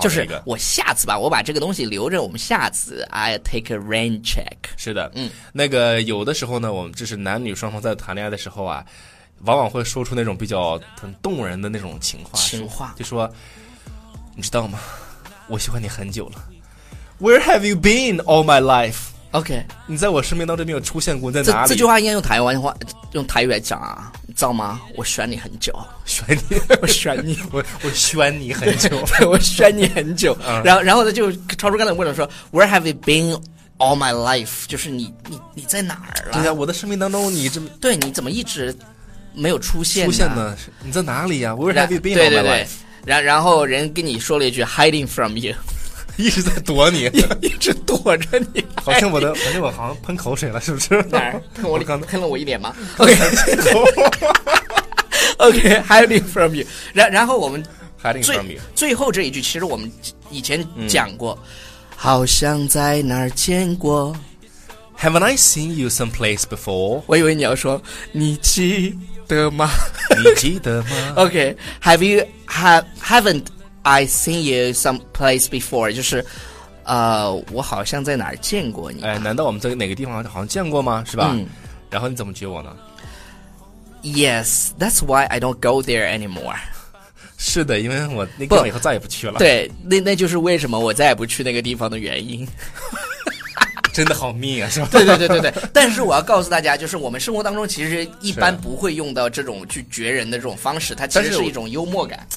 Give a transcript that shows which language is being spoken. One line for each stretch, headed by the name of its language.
Chinese: 就是我下次吧，我把这个东西留着，我们下次
English: I take a rain check。
Chinese: 是的，嗯，那个有的时候呢，我们就是男女双方在谈恋爱的时候啊，往往会说出那种比较很动人的那种情话，就说你知道吗，我喜欢你很久了。
English: Where have you been all my life OK，
Chinese: 你在我生命当中没有出现过，在哪里？这句话应该用台湾话，用台语来讲啊，你知道吗？我选你很久，选你，我选你，我选你很久，我选你很久。然后他就超出刚才问了说 ，
English: Where have you been all my life？
Chinese: 就是你在哪儿了？对呀、啊，我的生命当中你这么对，你怎么一直没有出现呢？出现呢？你在哪里呀
English: ？Where have you been all my life？
Chinese: 然后人跟你说了一句 ，
English: Hiding from you。
Chinese: 一直在躲你，一直躲着你。好像我好像喷口水了，是不是？哪儿喷我？刚喷了我一脸吗 ？OK，
English: hiding from you。
Chinese: 然后我们
English: hiding from you。
Chinese: 最后这一句，其实我们以前讲过，好像在哪儿见过。
English: Haven't I seen you someplace before？
Chinese: 我以为你要说你记得吗？你记得吗
English: ？OK，have you haven't。 I seen you someplace before，
Chinese: 就是，我好像在哪儿见过你。哎，难道我们在哪个地方好像见过吗？是吧？嗯、然后你怎么接我呢
English: ？Yes, that's why I don't go there anymore。
Chinese: 是的，因为我那地方以后再也不去了。对，那就是为什么我再也不去那个地方的原因。真的好命啊，是吧？对对对对对。但是我要告诉大家，就是我们生活当中其实一般不会用到这种去绝人的这种方式，它其实是一种幽默感。